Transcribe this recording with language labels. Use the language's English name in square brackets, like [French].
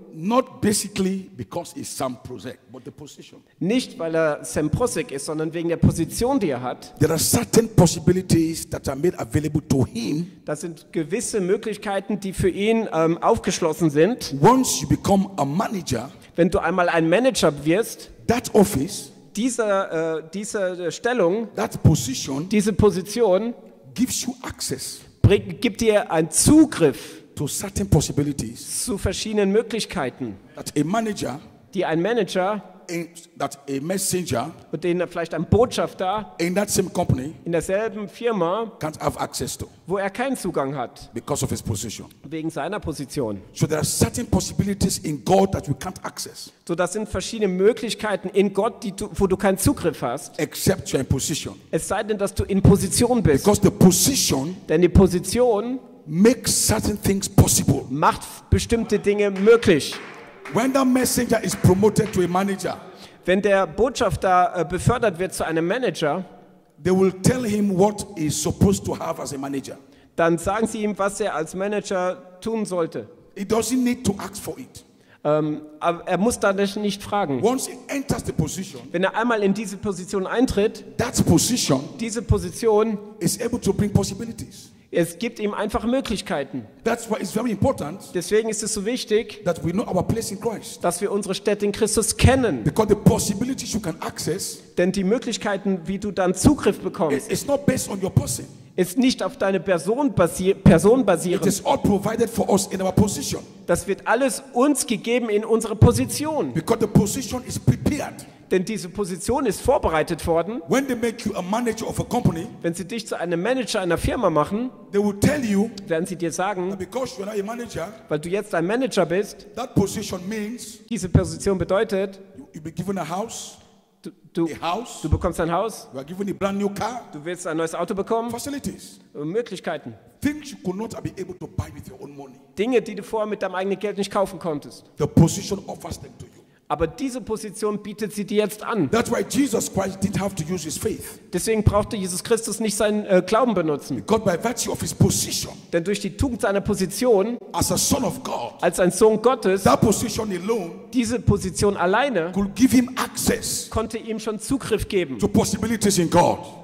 [English] Not basically because he's Sam Prozek, but the position. [German] Nicht weil er Sam Prozek ist, sondern wegen der Position, die er hat. [English] There are certain possibilities that are made available to him. [German] Das sind gewisse Möglichkeiten, die für ihn aufgeschlossen sind. [English] Once you become a manager, [German] wenn du einmal ein Manager wirst, [English] that office, [German] diese Stellung, [English] that position, [German] diese Position, [English] gives you access, [German] gibt dir einen Zugriff [English] to certain possibilities, [German] zu verschiedenen Möglichkeiten, [English] that a manager, [German] die ein Manager, [English] in, that a messenger, [German] und den vielleicht ein Botschafter, [English] in that same company, [German] in derselben Firma, [English] can't have access to, [German] wo er keinen Zugang hat, [English] because of his position, [German] wegen seiner Position. [English] So there are certain possibilities in God that we can't access. [German] So das sind verschiedene Möglichkeiten in Gott, die du, wo du keinen Zugriff hast, [English] except you're in position. [German] Es sei denn, dass du in Position bist, [English] because the position, [German] denn die Position [English] makes certain things possible. [German] Macht bestimmte Dinge möglich. [English] When the messenger is promoted to a manager, [German] wenn der Botschafter befördert wird zu einem Manager, [English] they will tell him what he's supposed to have as a manager. [German] Dann sagen sie ihm, was er als Manager tun sollte. [English] He doesn't need to ask for it. [German] Er muss dann nicht fragen. [English] Once he enters the position, [German] wenn er einmal in diese Position eintritt, [English] that position, [German] diese Position, [English] is able to bring possibilities. [German] Es gibt ihm einfach Möglichkeiten. [English] That's why it's very important, [German] deswegen ist es so wichtig, [English] that we know our place in Christ, [German] dass wir unsere Stätte in Christus kennen. [English] Because the possibilities you can access, [German] denn die Möglichkeiten, wie du dann Zugriff bekommst, [English] it's not based on your person, [German] ist nicht auf deine Person basierend. [English] It is all provided for us in our position. [German] Das wird alles uns gegeben in unsere Position. [English] Because the position is prepared. [German] Denn diese Position ist vorbereitet worden. [English] When they make you a manager of a company, [German] wenn sie dich zu einem Manager einer Firma machen, [English] they will tell you, [German] werden sie dir sagen, [English] that because you are not a manager, [German] weil du jetzt ein Manager bist, [English] that position means, [German] diese Position bedeutet, [English] you be given a house, a house, [German] du bekommst ein Haus, [English] you are given a brand new car, [German] du wirst ein neues Auto bekommen, [English] facilities, [German] Möglichkeiten. [English] Things you could not be able to buy with your own money. [German] Dinge, die du vorher mit deinem eigenen Geld nicht kaufen konntest. [English] The position offers them to you. [German] Aber diese Position bietet sie dir jetzt an. [English] That's why Jesus Christ didn't have to use his faith. [German] Deswegen brauchte Jesus Christus nicht seinen Glauben benutzen. [English] God, by virtue of his position, [German] denn durch die Tugend seiner Position, [English] as a son of God, [German] als ein Sohn Gottes, [English] that position alone, [German] diese Position alleine, [English] could give him access, [German] konnte ihm schon Zugriff geben [English] to possibilities in God.